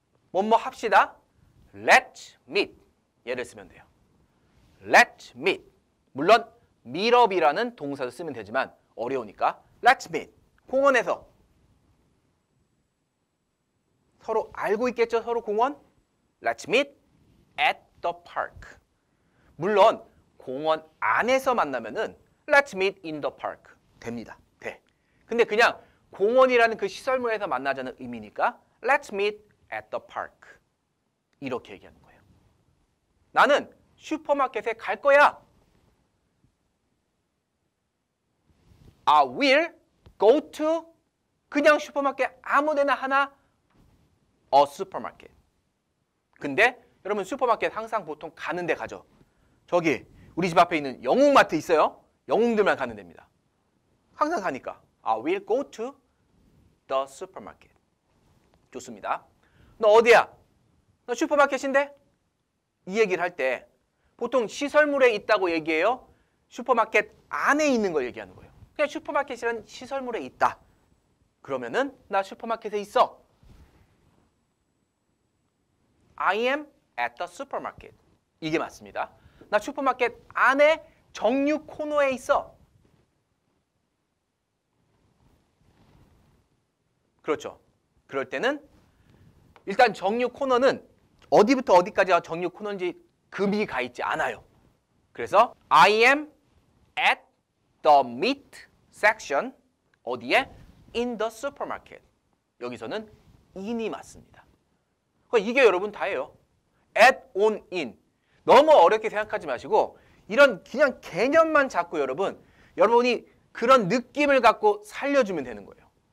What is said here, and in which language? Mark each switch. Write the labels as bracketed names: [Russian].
[Korean] 뭐뭐 합시다. [English] Let's meet. [Korean] 예를 쓰면 돼요. Let's meet. 물론 meet up이라는 동사도 쓰면 되지만 어려우니까 Let's meet. 공원에서 서로 알고 있겠죠? [English] 서로 공원? Let's meet at the park. [Korean] 물론 공원 안에서 만나면은 [English] Let's meet in the park. [Korean] 됩니다. 돼. 근데 그냥 공원이라는 그 시설물에서 만나자는 의미니까 [English] Let's meet at the park. [Korean] 이렇게 얘기하는 거예요. 나는 슈퍼마켓에 갈 거야. [English] I will go to [Korean] 그냥 슈퍼마켓 아무데나 하나 [English] a supermarket. [Korean] 근데 여러분 슈퍼마켓 항상 보통 가는 데 가죠. 저기 우리 집 앞에 있는 영웅마트 있어요. 영웅들만 가는 데입니다. 항상 가니까 [English] I will go to the supermarket. [Korean] 좋습니다. 너 어디야? 너 슈퍼마켓인데? 이 얘기를 할 때 보통 시설물에 있다고 얘기해요. 슈퍼마켓 안에 있는 걸 얘기하는 거예요. 그냥 슈퍼마켓이란 시설물에 있다. 그러면은 나 슈퍼마켓에 있어. [English] I am at the supermarket. 이게 맞습니다. [Korean] 나 슈퍼마켓 안에 정육 코너에 있어. 그렇죠. 그럴 때는 일단 정육 코너는 어디부터 어디까지가 정육 코너인지 금이 가 있지 않아요. [English] 그래서 I am at the meat section. 어디에? In the supermarket. [Korean] 여기서는 in이 맞습니다. 이게 여러분 다예요. at, on, in. 너무 어렵게 생각하지 마시고 이런 그냥 개념만 잡고 여러분이 그런 느낌을 갖고 살려주면 되는 거예요.